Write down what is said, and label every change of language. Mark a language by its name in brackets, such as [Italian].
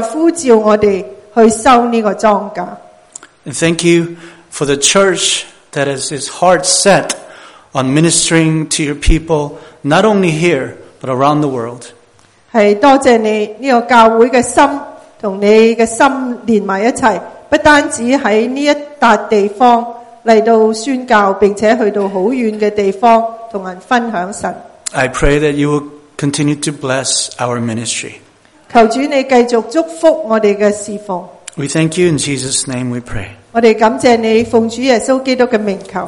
[Chinese] 求你叫我们听到又注意到，神啊，你在呼召我们去收这个庄稼。 [English] And thank you for the church that has its heart set on ministering to your people, not only here, but around the world. [Chinese] 是多谢你这个教会的心和你的心连在一起，不单止在这一大地方， 来到宣教，并且去到好远的地方，同人分享神。 [English] I pray that you will continue to bless our ministry. [Chinese] 求主你继续祝福我们的侍奉。 [English] We thank you in Jesus' name we pray. [Chinese] 我们感谢你，奉主耶稣基督的名求。